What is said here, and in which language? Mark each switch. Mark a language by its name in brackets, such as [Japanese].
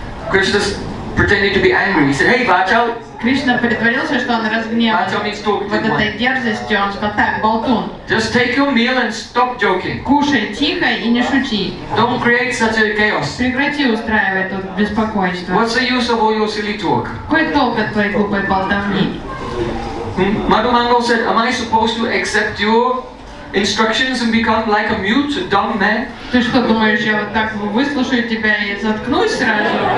[English] Krishna pretended to be angry. He said, "Hey, Vachal." [Russian] Кришна притворился, что он разгневался вот этой дерзостью, он сказал, так, болтун. [English] Just take your meal and stop joking. [Russian] Кушай тихо и не шути. [English] Don't create such a chaos. [Russian] Прекрати устраивать тут беспокойство. [English] What's the use of all your silly talk? [Russian] Какой толк от твоей глупой болтовни? [English] Madhu Mangal said, am I supposed to accept your instructions and become like a mute, dumb man? [Russian] Ты что думаешь, я вот так выслушаю тебя и заткнусь сразу?